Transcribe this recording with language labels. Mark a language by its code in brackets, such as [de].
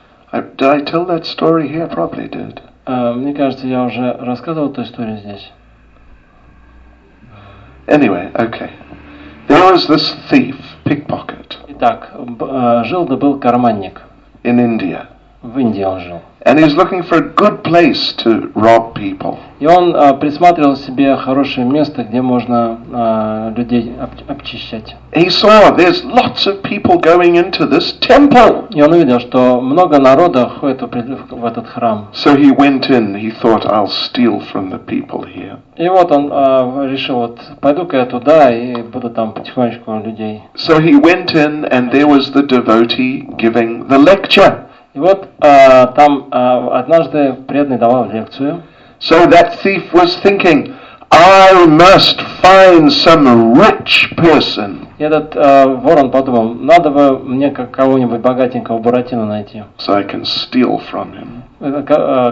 [en] Did I tell that story here? Probably did. [ru] Мне кажется, я уже рассказывал эту историю здесь. [en] Anyway, okay. There was this thief, pickpocket? [ru] Итак, жил да был карманник. [en] In India. [ru] В Индии он жил. [en] And he's looking for a good place to rob people. [ru] И он присматривал себе хорошее место, где можно людей обчищать. [en] He saw there's lots of people going into this temple. [ru] И он увидел, что много народа ходит в этот храм. [en] So he went in. He thought, I'll steal from the people here. [ru] И вот он решил, вот пойду-ка я туда и буду там потихонечку людей. [en] So he went in, and there was the devotee giving the lecture. [ru] И вот там однажды преданный давал лекцию. [en] So that thief was thinking, I must find some rich person. [ru] И этот ворон подумал, надо бы мне какого-нибудь богатенького буратино найти. [en] So I can steal from him.